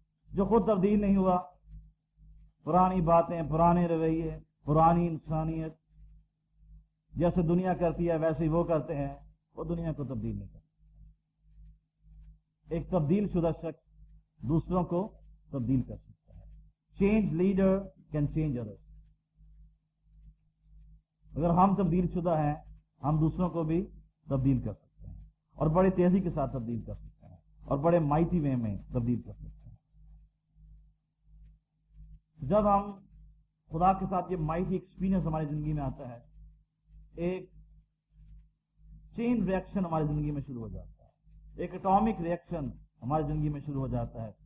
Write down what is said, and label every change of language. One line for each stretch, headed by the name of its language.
Urdu: جو خود تبدیل نہیں ہوا, پرانی باتیں, پرانے رویے, پرانی انسانیت, جیسے دنیا کرتی ہے ویسے ہی وہ کرتے ہیں, وہ دنیا کو تبدیل نہیں کرتا. ایک تبدیل شدہ شخص دوسروں کو تبدیل کرتا.
English: Change leader can change others.
Urdu: اگر ہم تبدیل شدہ ہیں, ہم دوسروں کو بھی تبدیل کر سکتے ہیں, اور بڑی تیزی کے ساتھ تبدیل کر سکتے ہیں. اور بڑے مائٹی وے میں تبدیل کر سکتا ہے. جب ہم خدا کے ساتھ یہ مائٹی ایکسپیرینس ہماری زندگی میں آتا ہے, ایک چین ریئیکشن ہماری زندگی میں شروع ہو جاتا ہے, ایک اٹامک ریئیکشن ہماری زندگی میں شروع ہو جاتا ہے.